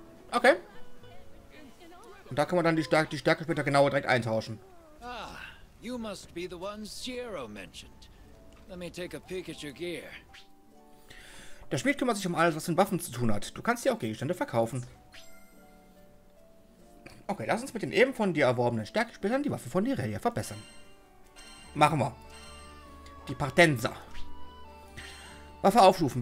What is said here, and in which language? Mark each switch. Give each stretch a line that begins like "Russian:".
German: Okay. Und da kann man dann die Stärke später genau direkt eintauschen.
English: Ah, you must be the one Zero mentioned. Let me take a peek at your gear.
German: Der Schmied kümmert sich um alles, was mit Waffen zu tun hat. Du kannst dir auch Gegenstände verkaufen. Okay, lass uns mit den eben von dir erworbenen Stärkesplittern die Waffe von Nirelia verbessern. Machen wir. Die Partenza. Waffe aufstufen.